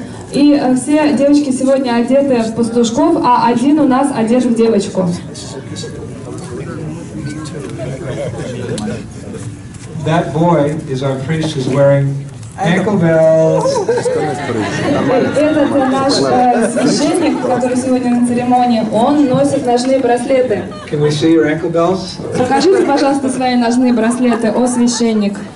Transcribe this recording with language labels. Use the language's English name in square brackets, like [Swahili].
[Russian] И все девочки сегодня одеты в пастушков, а один у нас одет в девочку. [English] That boy is our priest who's wearing ankle bells. [Russian] Этот наш священник, который сегодня на церемонии, он носит ножные браслеты. [English] Can we see your ankle bells? [Russian] Покажите, пожалуйста, свои ножные браслеты, о священник.